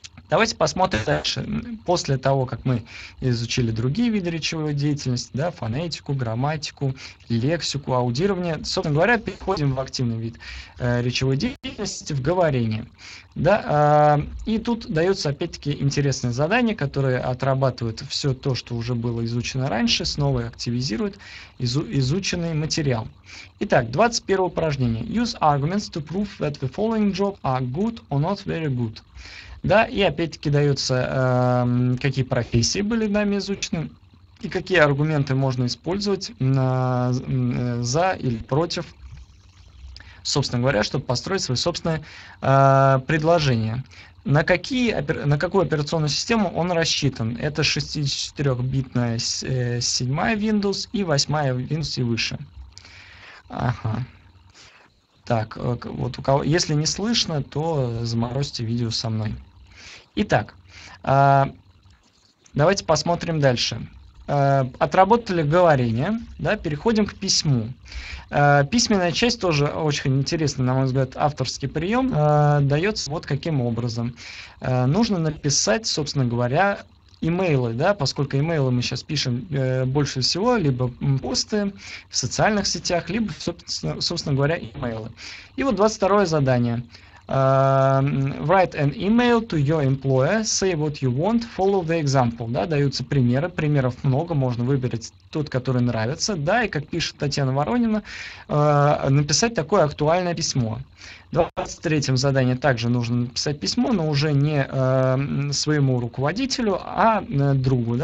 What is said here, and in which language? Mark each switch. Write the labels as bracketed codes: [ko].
[ru] Давайте посмотрим дальше. После того, как мы изучили другие виды речевой деятельности, да, фонетику, грамматику, лексику, аудирование, собственно говоря, переходим в активный вид речевой деятельности, в говорение. Да, и тут дается опять-таки интересное задание, которое отрабатывает все то, что уже было изучено раньше, снова активизирует изученный материал. Итак, 21 упражнение. [en] Use arguments to prove that the following job are good or not very good. [ru] Да, и опять-таки дается, какие профессии были нами изучены и какие аргументы можно использовать за или против собственно говоря, чтобы построить свое собственное предложение. На какую операционную систему он рассчитан? Это 64-битная 7-я Windows и 8-я Windows и выше. Ага. Так, вот у кого, если не слышно, то заморозьте видео со мной. Итак, давайте посмотрим дальше. Отработали говорение, да, переходим к письму. Письменная часть тоже очень интересный, на мой взгляд, авторский прием, дается вот каким образом. Нужно написать, собственно говоря, имейлы, да, поскольку имейлы мы сейчас пишем больше всего, либо посты в социальных сетях, либо, собственно говоря, имейлы. И вот 22-е задание. [en] Write an email to your employer, say what you want, follow the example. [ru] Да, даются примеры, примеров много, можно выбрать тот, который нравится. Да, и как пишет Татьяна Воронина, написать такое актуальное письмо. В 23-м задании также нужно написать письмо, но уже не своему руководителю, а другу.